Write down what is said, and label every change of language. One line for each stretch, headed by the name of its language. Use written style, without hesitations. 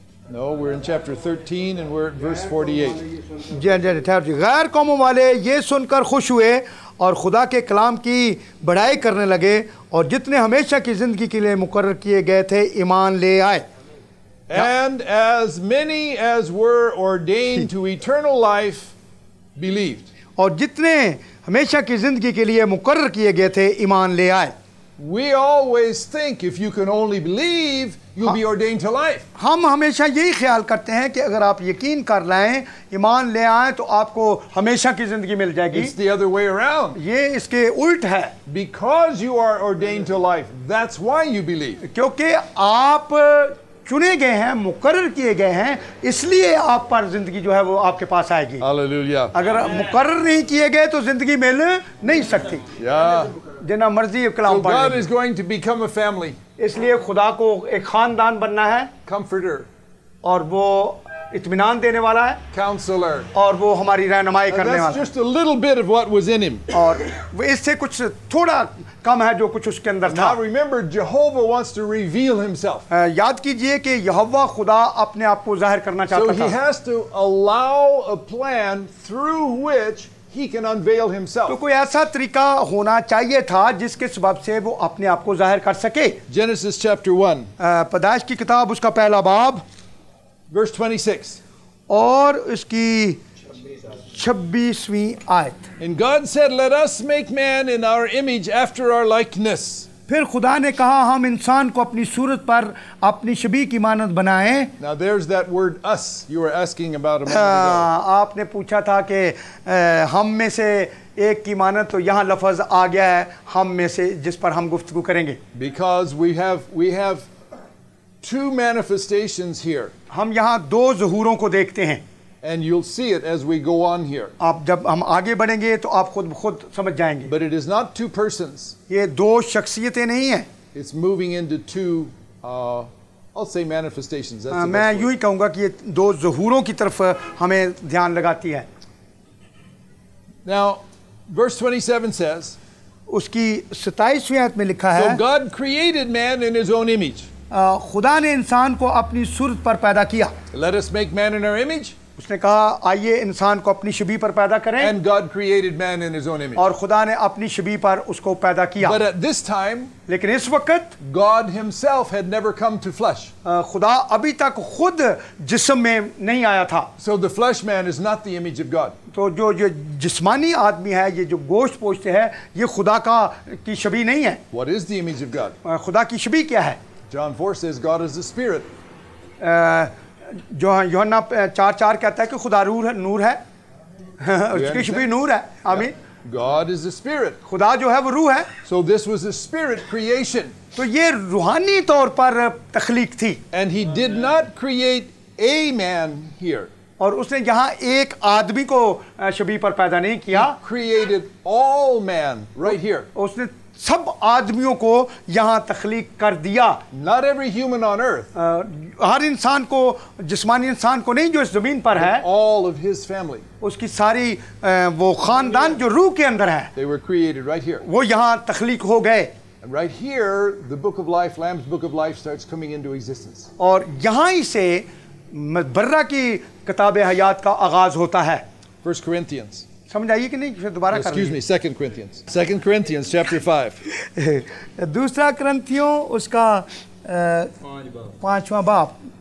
English: No, we're in chapter 13 and we're at verse
Hindi: 48. जी जी ठहर जी. गैर कौमों वाले ये सुनकर खुश हुए और खुदा के कलाम की बड़ाई करने लगे और जितने हमेशा की जिंदगी के लिए मुकर्रर किए गए थे ईमान ले आए.
English: And as many as were ordained to eternal life believed.
Hindi: और जितने हमेशा की जिंदगी के लिए मुकर्रर किए गए थे ईमान ले आए.
English: We always think if you can only believe, you'll be ordained to life.
Hindi: हम हमेशा यही ख्याल करते हैं कि अगर आप यकीन कर लाएं, ईमान ले आएं, तो आपको हमेशा की जिंदगी मिल जाएगी.
English: It's the other way around.
Hindi: ये इसके उल्ट है.
English: Because you are ordained to life, that's why you believe.
Hindi: क्योंकि आप चुने गए हैं, मुकर्रर किए गए हैं, इसलिए आप पर जिंदगी जो है वो आपके पास आएगी. हालेलुया. अगर मुकर्रर नहीं किए गए तो जिंदगी मिल नहीं सकती. या जिना मर्जी कलाम पढ़े.
English: God is going to become a family.
Hindi: इसलिए खुदा को एक खानदान बनना है.
English: Comforter.
Hindi: और वो इत्मीनान देने वाला है.
English: Counselor.
Hindi: और वो हमारी रहनुमाई करने वाला.
English: That's just a little bit of what was in him.
Hindi: और इससे कुछ थोड़ा कम है जो कुछ उसके अंदर था.
English: Now remember, Jehovah wants to reveal himself.
Hindi: याद कीजिए कि यहोवा खुदा अपने आप को जाहिर करना चाहता था.
English: So he has to allow a plan through which he can unveil himself.
Hindi: तो कोई ऐसा तरीका होना चाहिए था जिसके सबब से वो अपने आप को जाहिर कर सके.
English: Genesis chapter 1.
Hindi: पैदाइश की किताब उसका पहला बाब.
English: Verse 26.
Hindi: और उसकी 26वीं आयत.
English: And God said, let us make man in our image after our likeness.
Hindi: फिर खुदा ने कहा हम इंसान को अपनी सूरत पर अपनी शबी की मानत बनाएं.
English: Now there's that word us you were asking about a moment ago.
Hindi: आपने पूछा था कि हम में से एक की मानत, तो यहाँ लफ्ज आ गया है हम में से जिस पर हम गुफ्तगू करेंगे.
English: Because we have two manifestations here.
Hindi: हम यहाँ दो जहूरों को देखते हैं.
English: And you'll see it as we go on here.
Hindi: आप जब हम आगे बढ़ेंगे तो आप खुद खुद समझ जाएंगे.
English: But it is not two persons.
Hindi: ये दो शख्सियतें नहीं हैं.
English: It's moving into two, I'll say manifestations. That's
Hindi: मैं यूं ही कहूँगा कि ये दो जहूरों की तरफ हमें ध्यान लगाती है.
English: Now, verse 27 says.
Hindi: उसकी 27वीं आयत में लिखा है.
English: So God created man in His own image.
Hindi: खुदा ने इंसान को अपनी सूरत पर पैदा किया.
English: Let us make man in our image.
Hindi: उसने कहा आइए इंसान को अपनी शबी पर पैदा करें.
English: And God created man in his own image.
Hindi: और खुदा ने अपनी शबी पर उसको पैदा किया.
English: But at this time,
Hindi: लेकिन इस वक्त
English: God himself had never come to flesh.
Hindi: खुदा अभी तक खुद जिस्म में नहीं आया था.
English: So the flesh man is not the image of God.
Hindi: तो जो जो जिस्मानी आदमी है, ये जो गोश्त पोश्त है, ये खुदा का की शबी नहीं है.
English: What is the image of God?
Hindi: खुदा की शबी क्या है?
English: John 4 says God is a spirit.
Hindi: जो यूहन्ना 4:4 कहता है कि खुदा रूह है, नूर है. उसकी शबी नूर है. आमीन.
English: God is a spirit.
Hindi: खुदा जो है वो रूह है.
English: So this was a spirit creation.
Hindi: तो ये रूहानी तौर पर तखलीक थी.
English: And he did not create a man here.
Hindi: और उसने यहाँ एक आदमी को शबी पर पैदा नहीं किया.
English: He created all man right here.
Hindi: उसने सब आदमियों को यहाँ तखलीक कर दिया.
English: Not every human on earth.
Hindi: हर इंसान को, जिस्मानी इंसान को नहीं जो इस जमीन पर है.
English: All of his family.
Hindi: उसकी सारी वो खानदान जो रूह के अंदर है.
English: They were created right here.
Hindi: वो यहाँ तखलीक हो गए.
English: And right here, the book of life, Lamb's book of life starts coming into existence.
Hindi: और यहाँ ही से बर्रा की किताब हयात का आगाज होता है.
English: First Corinthians.
Hindi: समझ आइए कि नहीं, फिर दोबारा करिए.
English: Excuse me, Second Corinthians, chapter 5.
Hindi: दूसरा करिंथियों उसका पांचवां बाब.